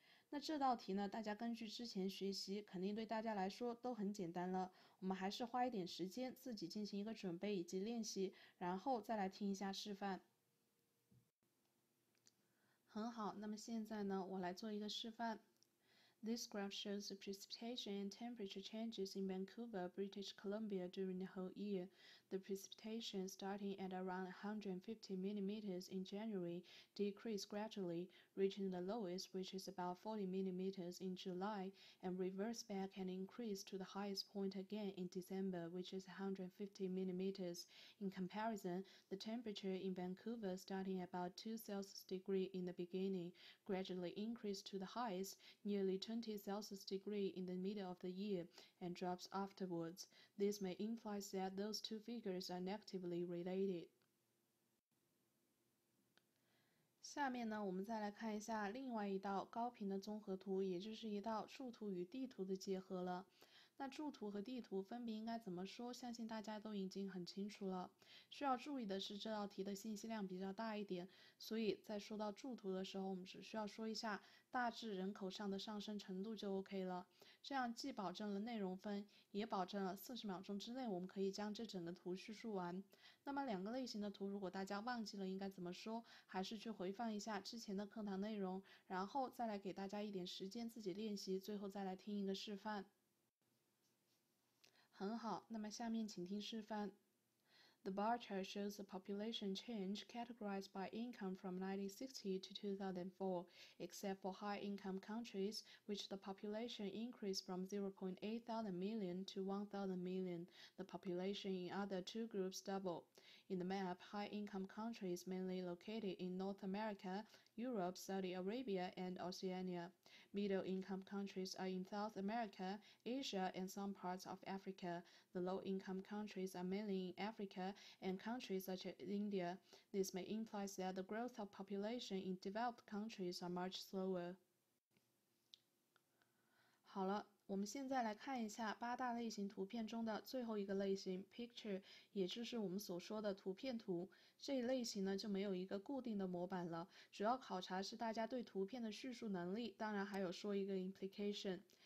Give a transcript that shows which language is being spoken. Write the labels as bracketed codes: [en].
[zh] 那这道题呢，大家根据之前学习，肯定对大家来说都很简单了。我们还是花一点时间自己进行一个准备以及练习，然后再来听一下示范。很好，那么现在呢，我来做一个示范。 [en] This graph shows the precipitation and temperature changes in Vancouver, British Columbia during the whole year. The precipitation, starting at around 150 millimeters in January, decreased gradually, reaching the lowest, which is about 40 millimeters in July, and reversed back and increased to the highest point again in December, which is 150 millimeters. In comparison, the temperature in Vancouver, starting at about 2 Celsius degree in the beginning, gradually increased to the highest, nearly 20 Celsius degree in the middle of the year, and drops afterwards. This may imply that those two figures are negatively related. [zh] 下面呢，我们再来看一下另外一道高频的综合图，也就是一道树图与地图的结合了。那柱图和地图分别应该怎么说？相信大家都已经很清楚了。需要注意的是，这道题的信息量比较大一点，所以在说到柱图的时候，我们只需要说一下大致人口上的上升程度就 OK 了。这样既保证了内容分，也保证了40秒钟之内我们可以将这整个图叙述完。那么两个类型的图，如果大家忘记了应该怎么说，还是去回放一下之前的课堂内容，然后再来给大家一点时间自己练习，最后再来听一个示范。很好，那么下面请听示范。 [en] The bar chart shows the population change categorized by income from 1960 to 2004, except for high-income countries, which the population increased from 0.8 thousand million to 1 thousand million. The population in other two groups doubled. In the map, high-income countries mainly located in North America, Europe, Saudi Arabia, and Oceania. Middle-income countries are in South America, Asia, and some parts of Africa. The low-income countries are mainly in Africa, and countries such as India. This may imply that the growth of population in developed countries are much slower. [zh] 好了，我们现在来看一下八大类型图片中的最后一个类型 picture， 也就是我们所说的图片图。这一类型呢，就没有一个固定的模板了，主要考察是大家对图片的叙述能力，当然还有说一个 implication。